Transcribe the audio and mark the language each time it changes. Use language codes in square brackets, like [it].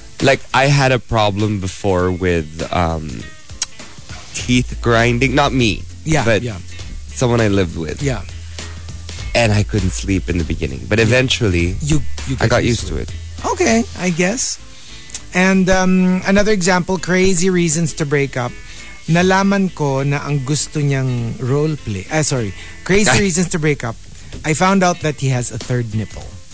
[en] Like, I had a problem before with teeth grinding. Not me. Yeah, but yeah. Someone I lived with. Yeah. And I couldn't sleep in the beginning. But eventually, I got used to it. Okay, I guess. And another example, crazy reasons to break up. [tl] Nalaman ko na ang gusto niyang role play. [en] Crazy reasons to break up. I found out that he has a third nipple.